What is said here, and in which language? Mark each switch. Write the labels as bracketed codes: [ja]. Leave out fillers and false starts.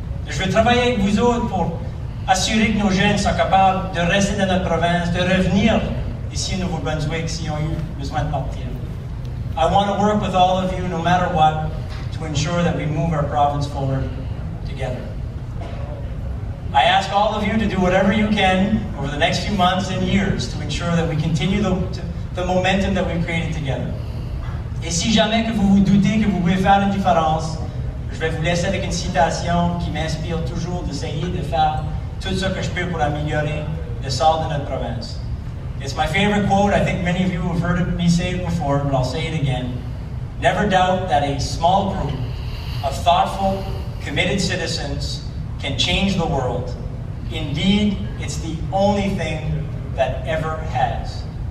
[fr] Je vais travailler avec vous autres pour assurer que nos jeunes sont capables de rester dans notre province, de revenir ici au Nouveau-Brunswick s'ils ont eu besoin de partir. [en] I want to work with all of you, no matter what, to ensure that we move our province forward together. I ask all of you to do whatever you can over the next few months and years to ensure that we continue the momentum that we've created together. [fr] Et si jamais que vous vous doutez que vous pouvez faire une différence, je vais vous laisser avec une citation qui m'inspire toujours d'essayer de faire tout ce que je peux pour améliorer le sort de notre province. [en] It's my favorite quote. I think many of you have heard me say it before, but I'll say it again. Never doubt that a small group of thoughtful, committed citizens can change the world. Indeed, it's the only thing that ever has.